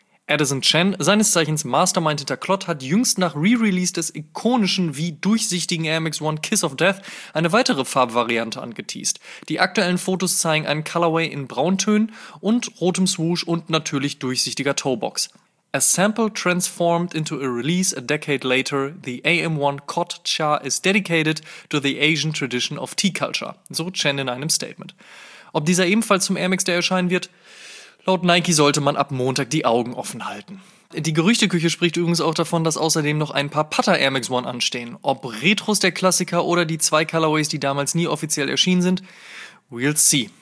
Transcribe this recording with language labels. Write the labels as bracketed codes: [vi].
[de] Addison Chen, seines Zeichens Mastermind hinter Klot, hat jüngst nach Re-Release des ikonischen wie durchsichtigen Air Max One Kiss of Death eine weitere Farbvariante angeteased. Die aktuellen Fotos zeigen einen Colorway in Brauntönen und rotem Swoosh und natürlich durchsichtiger Toebox. [en] A sample transformed into a release a decade later, the AM1 Kot Cha is dedicated to the Asian tradition of tea culture, [de] so Chen in einem Statement. Ob dieser ebenfalls zum Air Max Day erscheinen wird? Laut Nike sollte man ab Montag die Augen offen halten. Die Gerüchteküche spricht übrigens auch davon, dass außerdem noch ein paar Patta Air Max One anstehen. Ob Retros der Klassiker oder die zwei Colorways, die damals nie offiziell erschienen sind, [en] we'll see.